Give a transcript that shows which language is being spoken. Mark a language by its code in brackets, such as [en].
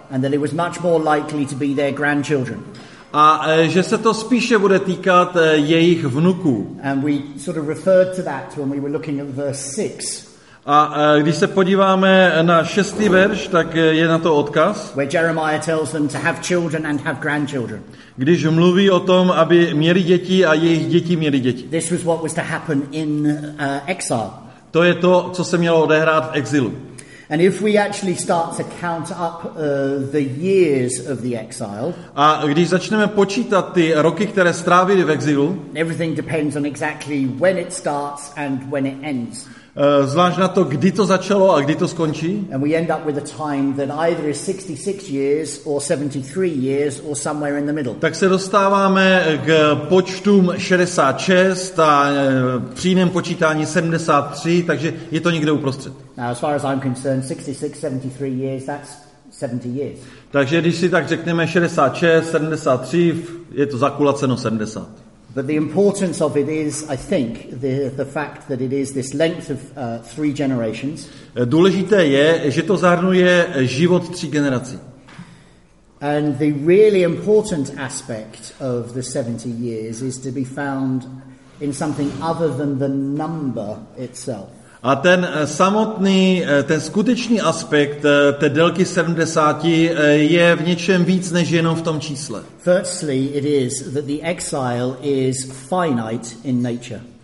[en] And that it was much more likely to be their grandchildren. [cs] A že se to spíše bude týkat jejich vnuků. [en] And we sort of referred to that when we were looking at verse 6. [cs] A když se podíváme na 6. verš, tak je na to odkaz. [en] Where Jeremiah tells them to have children and have grandchildren. [cs] Když mluví o tom, aby měli děti a jejich děti měli děti. [en] This was what was to happen in exile. [cs] To je to, co se mělo odehrát v exilu. [en] And if we actually start to count up the years of the exile. [cs] A když začneme počítat ty roky, které strávili v exilu. [en] Everything depends on exactly when it starts and when it ends. [cs] Zvlášť na to, kdy to začalo a kdy to skončí. [en] And we end up with a time that either is 66 years or 73 years or somewhere in the middle. [cs] Tak se dostáváme k počtům 66 a při jiném počítání 73, takže je to někde uprostřed. [en] Now, as far as I'm concerned, 66, 73 years, that's 70 years. [cs] Takže když si tak řekneme 66, 73, je to zakulaceno 70. [en] But the importance of it is, I think, the fact that it is this length of three generations. [cs] Důležité je, že to zahrnuje život tří generací. [en] And the really important aspect of the 70 years is to be found in something other than the number itself. [cs] A ten samotný, ten skutečný aspekt té délky 70 je v něčem víc než jenom v tom čísle. [en] Firstly, it is that the exile is finite in nature.